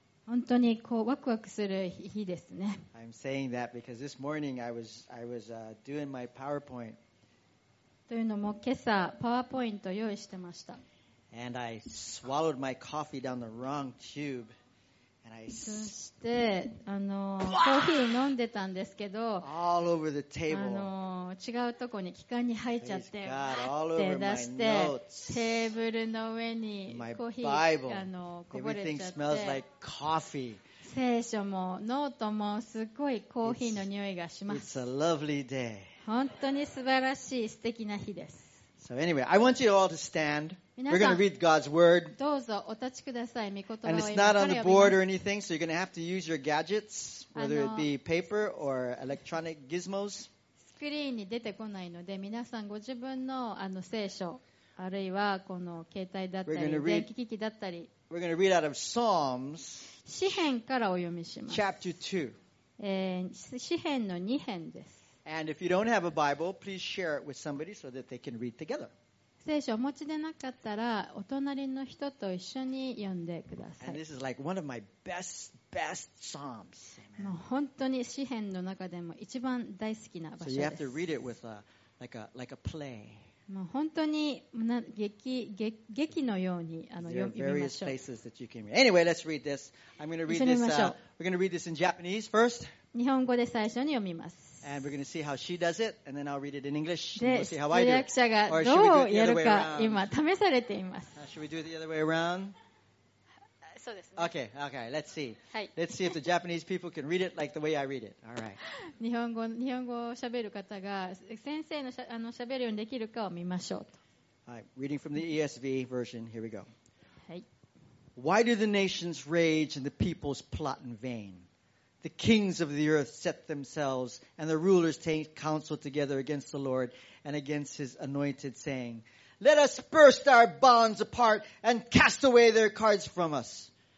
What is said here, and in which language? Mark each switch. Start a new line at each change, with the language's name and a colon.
Japanese: 本当にこうワクワクする日ですね。
English: I'm saying that because this morning I was doing my PowerPoint.
Japanese: というのも今朝パワーポイント用意してました。
English: And I swallowed my coffee down the wrong tube. And I
Japanese: そしてコーヒー飲んでたんですけど、
English: all over the table.
Japanese: 違うとこに気管に入っちゃって、って出して、テーブルの上にコーヒーこぼれちゃって、聖書もノートもすごいコーヒーの匂いがします。
English: It's a lovely day.
Japanese: 本当に素晴らしい素敵な日です。
English: So anyway, I want you all to stand. We're going to read God's word.
Japanese: どうぞお立ちください。御言葉を。
English: And it's not on the board or anything, so you're going to have to use your gadgets, whether it be paper or electronic gizmos.
Japanese: スクリーンに出てこないので、皆さんご自分の聖書あるいはこの携帯だったり電気機器だったり。
English: We're going to read out of Psalms.
Japanese: 詩編からお読みします。
English: Chapter 2.
Japanese: 詩編の2編です。
English: And if you don't have a Bible, please share it with somebody so that they can read together.
Japanese: 聖書をお持ちでなかったら、お隣の人と一緒に読んでください。
English: And this is like one of my best Psalms.
Japanese: もう本当に詩編の中でも一番大好きな場所です。
English: So you have to read it with like a play.
Japanese: もう本当に劇のように読みましょう。
English: There are various places that you can read. Anyway, let's read this. I'm going to read this. We're going to read this in Japanese first.
Japanese: 日本語で最初に読みます。
English: And we're going to see how she does it, and then I'll read it in English.
Japanese: で、通訳者がどうやるか今試されています。
English: Should we do it the other way around?
Japanese: そうですね。
English: Okay, let's see.
Japanese: はい。
English: Let's see if the Japanese people can read it like the way I read it. All right.
Japanese: 日本語を喋る方が先生の喋るようにできるかを見ましょうと。はい。
English: Reading from the ESV version. Here we go.
Japanese: はい。
English: Why do the nations rage and the peoples plot in vain? The kings of the earth set themselves, and the rulers take counsel together against the Lord and against his anointed, saying, Let us burst our bonds apart and cast away their cards from us.